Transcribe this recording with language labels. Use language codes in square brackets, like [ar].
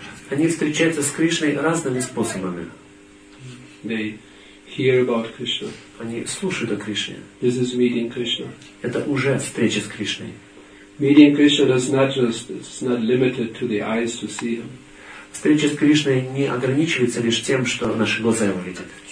[ru] Они встречаются с Кришной разными способами. [en] They hear about Krishna. [ru] Они слушают о Кришне. [en] This is meeting Krishna. [ru] Это уже встреча с Кришной. [en] Meeting Krishna is not limited to the eyes to see him. [ru] Встреча с Кришной не ограничивается лишь тем, что наши глаза его видят.